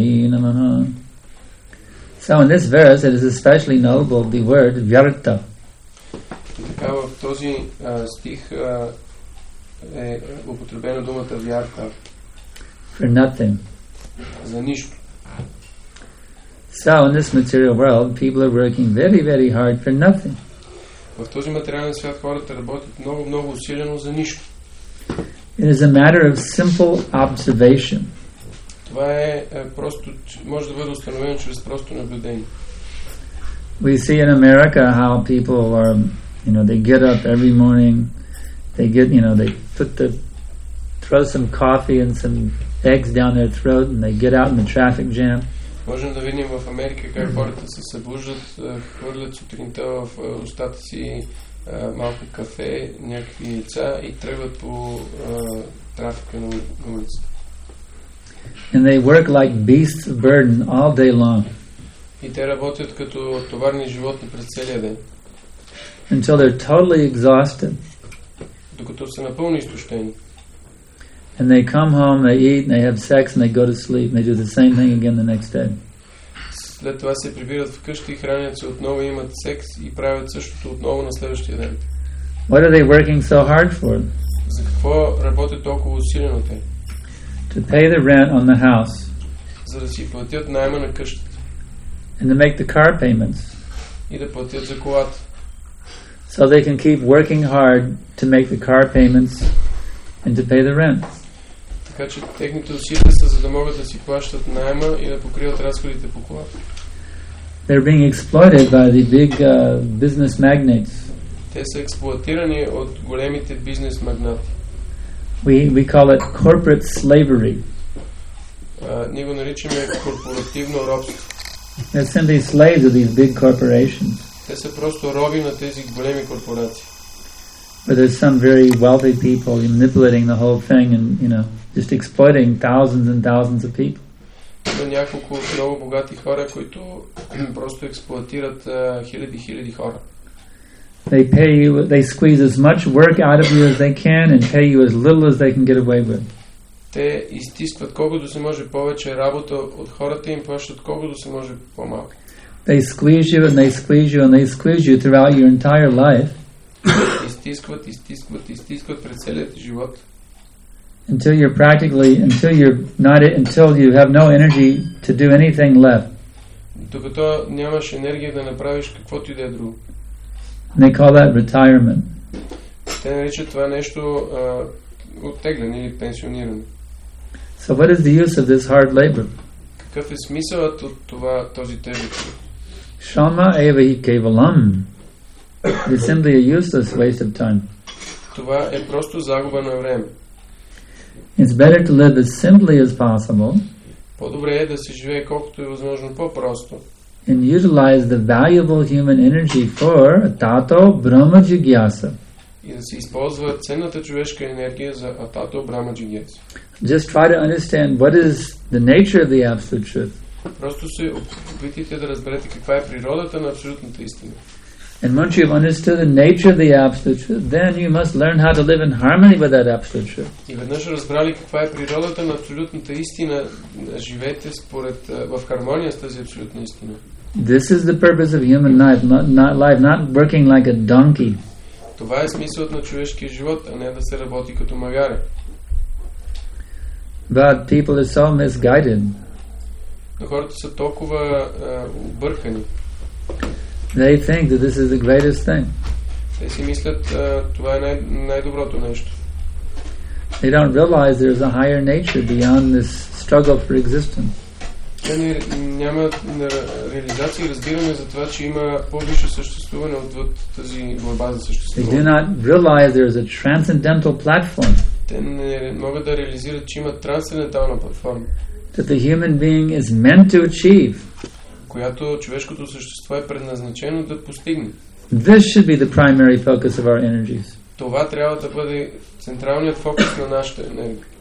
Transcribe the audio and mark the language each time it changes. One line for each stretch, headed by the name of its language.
English: So in this verse, it is especially notable the word vyarta.
Bulgarian: Така в този стих е употребена думата вярка.
English: For nothing.
Bulgarian: За нищо.
English: So in this material world, people are working very, very hard for nothing.
Bulgarian: В този материален свят хората работят много, много усилено за нищо.
English: It is a matter of simple observation.
Bulgarian: Това е просто, може да бъде установено чрез просто наблюдение.
English: We see in America how people are, you know, they get up every morning, they get, you know, they put the, throw some coffee and some eggs down their throat and they get out in the traffic jam.
Bulgarian: Можем да видим в Америка как хората се събуждат, хвърлят сутринта в устата си малко кафе, някакви яйца и тръгват по трафика на улицата.
English: And they work like beasts of burden all day long.
Bulgarian: И те работят като товарни животни през целия ден.
English: Until they're totally exhausted.
Bulgarian: Докато са напълно изтощени.
English: And they come home, they eat, they have sex, and they go to sleep, and they do the same thing again the next day.
Bulgarian: След това се прибират вкъщи, хранят се отново, имат секс и правят същото отново на следващия ден.
English: What are they working so hard for?
Bulgarian: За какво работят толкова усилено те?
English: To pay the rent on the house.
Bulgarian: За да си платят найма на къщата.
English: And to make the car payments.
Bulgarian: И да платят за колата.
English: So they can keep working hard to make the car payments and to pay the rent.
Bulgarian: Така че техните усилия са за да могат да си плащат найма и да покриват разходите по колата.
English: They're being exploited by the big business magnates.
Bulgarian: Те са експлоатирани от големите бизнес магнати.
English: We call it corporate slavery.
Bulgarian: Ние го наричаме корпоративно робство.
English: They're simply slaves of these big corporations.
Bulgarian: Те са просто роби на тези големи корпорации.
English: But there's some very wealthy people manipulating the whole thing and, you know, just exploiting thousands and thousands of people.
Bulgarian: Има няколко много богати хора, които просто експлоатират хиляди, хиляди хора.
English: They pay you, they squeeze as much work out of you as they can and pay you as little as they can get away with.
Bulgarian: Те изтискват колкото се може повече работа от хората и им плащат колкото се може по-малко.
English: They squeeze you and they squeeze you and they squeeze you throughout your entire life.
Bulgarian: Изтискват, изтискват, изтискват през целият живот.
English: Until you're practically, until you're not, until you have no energy to do anything left.
Bulgarian: Докато нямаш енергия да направиш каквото и да е друго.
English: They call that retirement.
Bulgarian: Те наричат това нещо оттеглен или пенсиониран.
English: So what is the use of this hard labor?
Bulgarian: Какъв е смисълът от това, този тежък?
Sanskrit: Shama eva hi kevalam.
English: It is simply a useless waste of time.
Bulgarian: Това е просто загуба на време.
English: It's better to live as simply as possible.
Bulgarian: По-добре е да се живее колкото е възможно по-просто.
English: And utilize the valuable human energy for
Sanskrit: atato brahma jigyasa.
Bulgarian: И да се използва ценната човешка енергия за Атато Брама Джигиаса.
English: Just try to understand what is the nature of the absolute truth.
Bulgarian: Просто се опитайте да разберете каква е природата на абсолютната истина.
English: And once you've understood the nature of the absolute truth, then you must learn how to live in harmony with that absolute truth.
Bulgarian: И веднъж разбрали каква е природата на абсолютната истина, живете според в хармония с тази абсолютна истина.
English: This is the purpose of human life, not life, not working like a donkey.
Bulgarian: Това е смисълът на човешкия живот, а не да се работи като магаре.
English: But people are so misguided.
Bulgarian: Но хората са толкова объркани.
English: They think that this is the greatest thing.
Bulgarian: Те си мислят, това е най-доброто нещо.
English: They don't realize there is a higher nature beyond this struggle for existence.
Bulgarian: Те няма реализация и разбиране за това, че има по-висше съществуване отвъд тази борба за съществуване.
English: They do not realize there is a transcendental platform.
Bulgarian: Те не могат да реализират, че има трансцендентална платформа.
English: That the human being is meant to achieve.
Bulgarian: Която човешкото същество е предназначено да постигне.
English: This should be the primary focus of our energies.
Bulgarian: Това трябва да бъде централният фокус на нашата енергия.